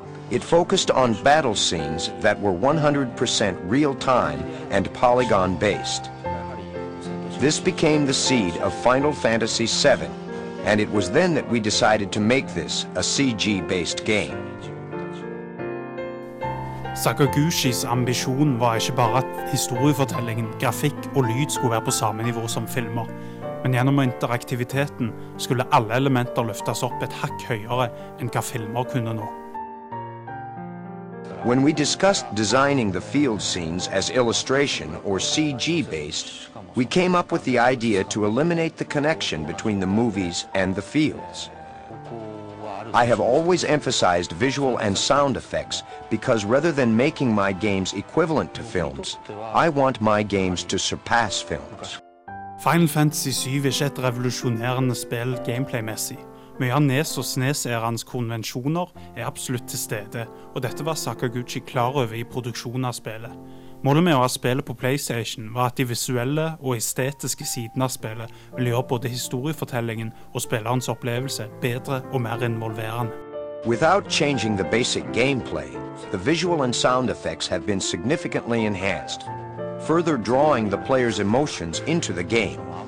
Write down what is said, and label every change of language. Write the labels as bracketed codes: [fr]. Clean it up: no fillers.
[en] It focused on battle scenes that were 100% real-time and polygon-based. This became the seed of Final Fantasy VII, and it was then that we decided to make this a CG-based game. [no] Sakaguchis ambisjon var ikke bare at historiefortellingen, grafikk og lyd skulle være på samme nivå som filmer, men gjennom interaktiviteten skulle alle elementer løftes opp et hakk høyere enn hva filmer kunne nå. [en] When we discussed designing the field scenes as illustration or CG based, we came up with the idea to eliminate the connection between the movies and the fields. I have always emphasized visual and sound effects because rather than making my games equivalent to films, I want my games to surpass films. [no] Final Fantasy VII er ikke et revolusjonerende spill gameplay-messig. Mye av NES og SNES-erans konvensjoner er absolutt til stede, og dette var Sakaguchi klar over i produksjonen av spillet. Målet med å ha spillet på PlayStation var at de visuelle og estetiske sidene av spillet ville gjøre både historiefortellingen og spillerens opplevelse bedre og mer involverende. [en] Without changing the basic gameplay, the visual and sound effects have been significantly enhanced, further drawing the player's emotions into the game.